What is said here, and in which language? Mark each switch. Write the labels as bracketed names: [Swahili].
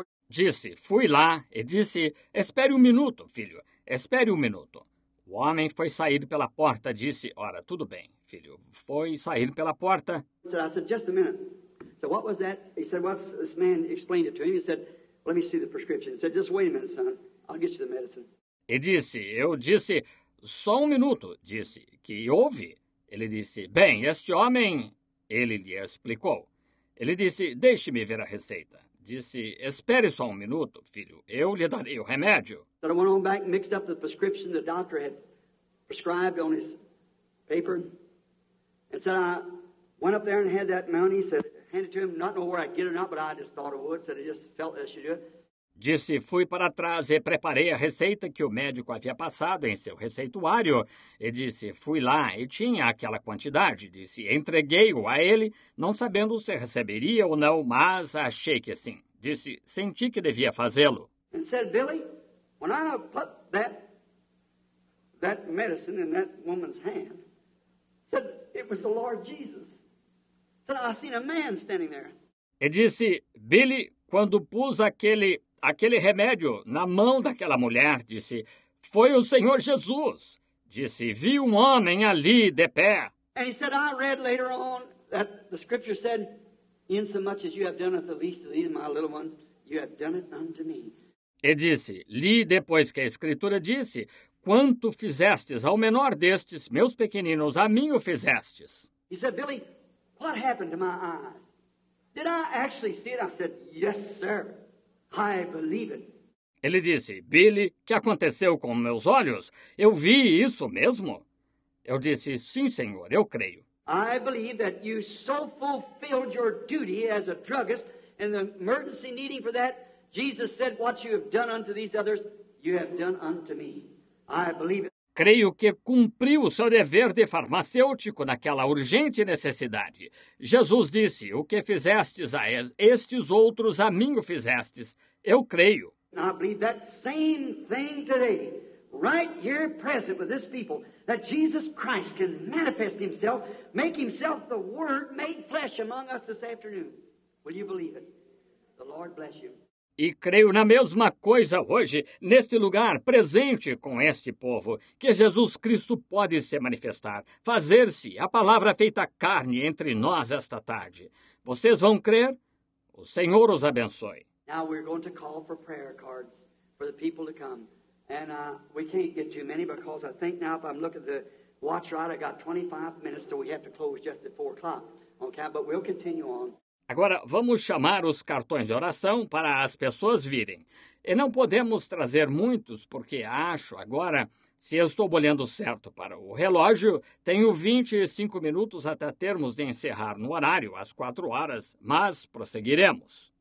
[Portuguese] Disse, fui lá e disse, espere um minuto, filho, espere um minuto. O homem foi sair pela porta, disse, ora, tudo bem, filho, foi sair pela porta. [English] I said, just a minute. So what was that? He said, well, this man explained it to him. He said, let me see the prescription. He said, just wait a minute, son, I'll get you the medicine. [Portuguese] E disse, eu disse, só um minuto, disse, que houve? Ele disse, bem, este homem, ele lhe explicou. Ele disse, deixe-me ver a receita. Disse, espere só um minuto, filho. Eu lhe darei o remédio. [English] Then I went on back and mixed up the prescription the doctor had prescribed on his paper. And said, I went up there and had that money. Said, hand it to him. Not know where I'd get it or not, but I just thought it would. Said, I just felt that I should do it. [Portuguese] Disse, fui para trás e preparei a receita que o médico havia passado em seu receituário. E disse, fui lá e tinha aquela quantidade. Disse, entreguei-o a ele, não sabendo se receberia ou não, mas achei que sim. Disse, senti que devia fazê-lo. [English] And said, Billy, When I put that medicine in that woman's hand, said it was the Lord Jesus. Said I seen a man standing there. [Portuguese] E disse, Billy, quando pus aquele remédio na mão daquela mulher, disse, foi o Senhor Jesus. Disse, vi um homem ali de pé. [English] And he said, I read later on that the scripture said, in so much as you have done it the least of these, my little ones, you have done it unto me. [Portuguese] E disse, li depois que a escritura disse, quanto fizestes ao menor destes, meus pequeninos, a mim o fizestes. [English] He said, Billy, what happened to my eyes? Did I actually see it? I said, yes, sir, I believe it. [Portuguese] Ele disse, Billy, o que aconteceu com meus olhos? Eu vi isso mesmo? Eu disse, sim, senhor, eu creio. [English] I believe that you so fulfilled your duty as a druggist and the emergency needing for that, Jesus said, what you have done unto these others, you have done unto me. I believe it. [Portuguese] Creio que cumpriu o seu dever de farmacêutico naquela urgente necessidade. Jesus disse, o que fizestes a estes outros, a mim o fizestes. Eu creio. [English] I believe that same thing today, right here present with this people, that Jesus Christ can manifest himself, make himself the Word made flesh among us this afternoon. Will you believe it? The Lord bless you. [Portuguese] E creio na mesma coisa hoje, neste lugar presente com este povo, que Jesus Cristo pode se manifestar, fazer-se a palavra feita carne entre nós esta tarde. Vocês vão crer? O Senhor os abençoe. [English] Now we're going to call for prayer cards for the people to come. And we can't get too many because I think now if I'm looking at the watch right, I got 25 minutes, so we have to close just at 4 o'clock. Okay, but we'll continue on. [Portuguese] Agora, vamos chamar os cartões de oração para as pessoas virem. E não podemos trazer muitos, porque acho agora, se eu estou olhando certo para o relógio, tenho 25 minutos até termos de encerrar no horário, às 4 horas, mas prosseguiremos.